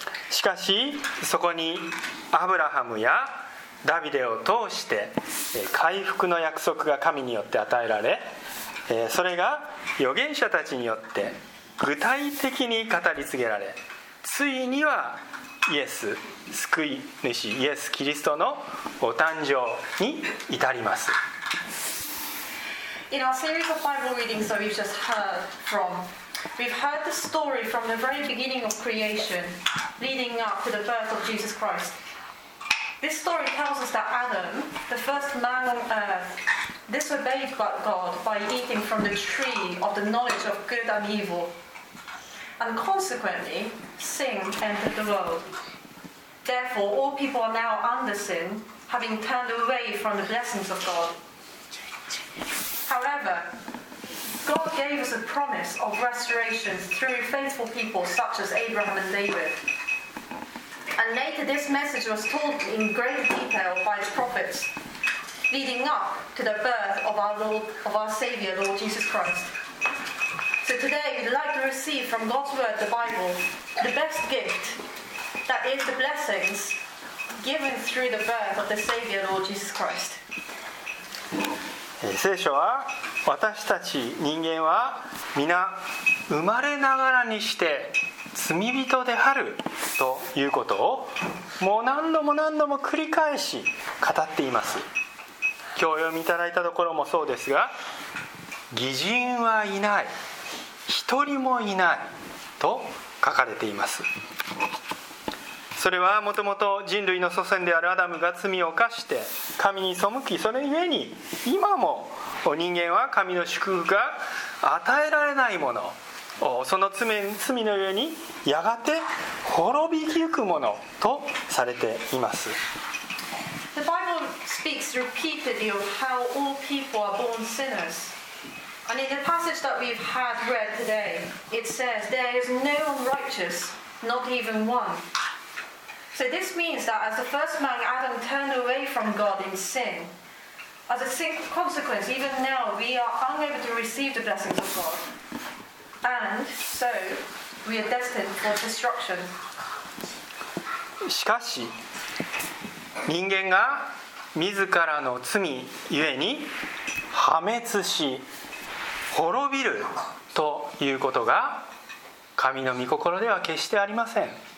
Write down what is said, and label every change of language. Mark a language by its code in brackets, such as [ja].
[ja] しかしそこにアブラハムやダビデを通して回復の約束が神によって与えられ、それが預言者たちによって具体的に語り継げられ、ついにはイエス救い主イエス・キリストのお誕生に至ります。 [en] In our series of Bible readings that we've just heard from, we've heard the story from the very beginning of creation, leading up to the birth of Jesus Christ. This story tells us that Adam, the first man on earth, disobeyed God by eating from the tree of the knowledge of good and evil. And consequently, sin entered the world. Therefore, all people are now under sin, having turned away from the blessings of God. However, God gave us a promise of restoration through faithful people such as Abraham and David. And later this message was told in great detail by the prophets, leading up to the birth of our Savior, Lord Jesus Christ. So today we'd like to receive from God's Word, the Bible, the best gift, that is the blessings given through the birth of the Savior, Lord Jesus Christ. [ja] 聖書は私たち人間は皆生まれながらにして罪人であるということをもう何度も何度も繰り返し語っています。今日読みいただいたところもそうですが、義人はいない、一人もいないと書かれています。それはもともと人類の祖先であるアダムが罪を犯して神に背き、それゆえに今も人間は神の祝福が与えられないもの、その罪のゆえにやがて滅びゆくものとされています。 [en] The Bible speaks repeatedly of how all people are born sinners. And in the passage that we've had read today, it says there is no one righteous, not even one. So this means that as the first man Adam turned away from God in sin, as a consequence, even now we are unable to receive the blessings of God. And so we are destined for destruction. [ja] しかし、人間が自らの罪ゆえに破滅し滅びるということが神の御心では決してありません。